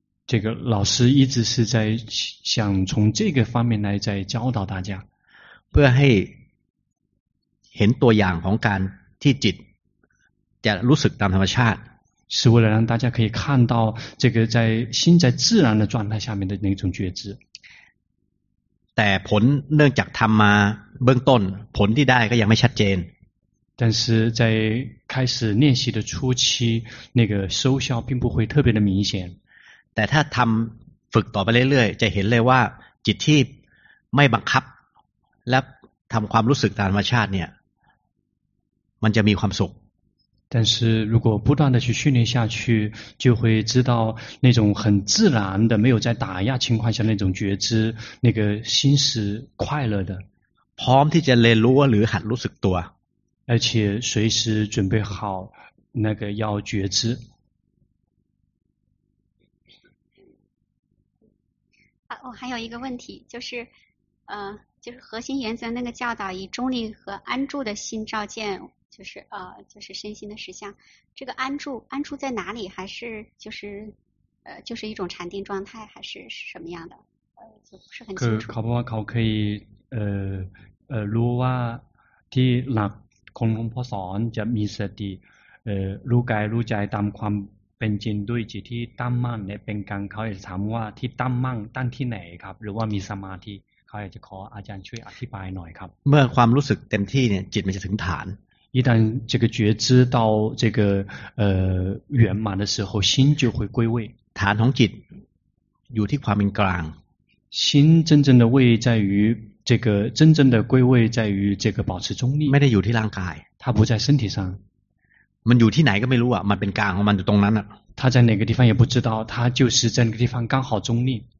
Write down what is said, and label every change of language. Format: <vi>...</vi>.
<zh>这个老师一直是在想从这个方面来在教导大家</zh> <th>เพื่อให้เห็นตัวอย่างของการที่จิตจะรู้สึกตามธรรมชาติ</th> <zh>是为了让大家可以看到这个在心在自然的状态下面的那种觉知</zh> <th>แต่ผลเนื่องจากทำมาเบื้องต้นผลที่ได้ก็ยังไม่ชัดเจน</th> <zh>但是在开始练习的初期那个收效并不会特别的明显</zh> <th>แต่ถ้าทำฝึกต่อไปเรื่อยๆจะเห็นเลยว่าจิตที่ไม่บังคับและทำความรู้สึกตามธรรมชาติเนี่ยมันจะมีความสุข แต่</th> <zh>是如果不断的去训练下去就会知道那种很自然的没有在打压情况下那种觉知那个心是快乐的</zh> <th>พร้อมที่จะเรียนรู้หรือหัดรู้สึกตัว</th> <zh>而且随时准备好那个要觉知我还有一个问题就是核心原则那个教导以中立和安住的心照见就是身心的实相这个安住在哪里还是就是一种禅定状态还是什么样的就不是很清楚可不可以</zh> <th>รู้ว่าที่หลักของหลวงพ่อสอนจะมีสติรู้กายรู้ใจตามความ ป็นจริงด้วยจิตที่ตั้งมั่นเนี่ยเป็นกลางเขาอยากจะถามว่าที่ตั้งมั่นตั้งที่ไหนครับหรือว่ามีสมาธิเขาอยากจะขออาจารย์ช่วยอธิบายหน่อยครับ เมื่อความรู้สึกเต็มที่เนี่ยจิตมันจะถึงฐาน</th> <zh>一旦这个觉知到这个圆满的时候心就会归位</zh> <th>ฐานของจิตอยู่ที่ความเป็นกลาง</th> <zh>心真正的位在于这个真正的归位在于这个保持中立</zh> <th>ไม่ได้อยู่ที่ร่างกาย</th> <zh>它不在身体上</zh> <th>มันอยู่ที่ไหนก็ไม่รู้อ่ะมันเป็นกลางของมันอยู่ตรงนั้นอ่ะ</th> <zh>它在哪个地方也不知道它就是在那个地方刚好中立</zh>